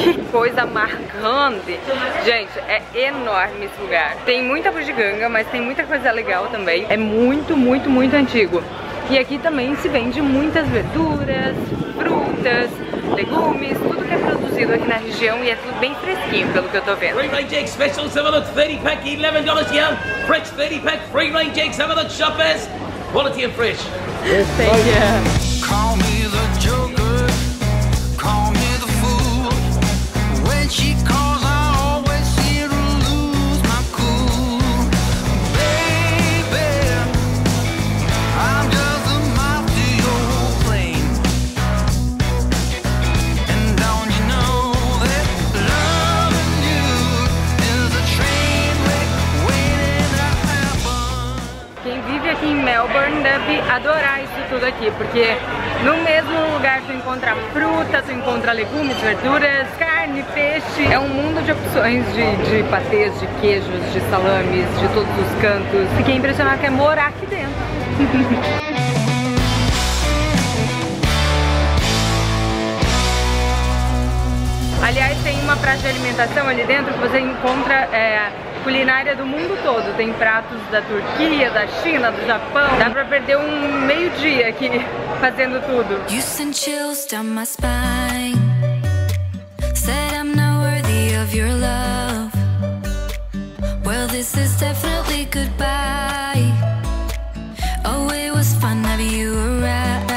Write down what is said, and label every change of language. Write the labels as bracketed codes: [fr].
[pt] coisa marcante. Gente, é enorme esse lugar. Tem muita bugiganga, mas tem muita coisa legal também. É muito, muito, muito antigo. E aqui também se vende muitas verduras, frutas, legumes, tudo que é produzido aqui na região e é tudo bem fresquinho, pelo que eu tô vendo. [en] Free range eggs special, let's have a look, 30 pack, $11, yeah. Fresh 30 pack, free range eggs, have a look, shoppers. Quality and fresh. Thank you. Call me the Joker, call me the fool. When she calls, I always see her lose my cool. Baby, I'm just a mouth to your flame. And don't you know that loving you is a train wreck waiting to happen? [pt] Quem vive aqui em Melbourne deve adorar isso tudo aqui, porque no mesmo lugar tu encontra fruta, tu encontra legumes, verduras, carne, peixe. É um mundo de opções de patês, de queijos, de salames, de todos os cantos. Fiquei impressionada que é morar aqui dentro. Aliás, tem uma praça de alimentação ali dentro que você encontra culinária do mundo todo. Tem pratos da Turquia, da China, do Japão. Dá pra perder um meio dia aqui fazendo tudo. [en] You send chills down my spine. Said I'm not worthy of your love. Well, this is definitely goodbye. Oh, it was fun of you around.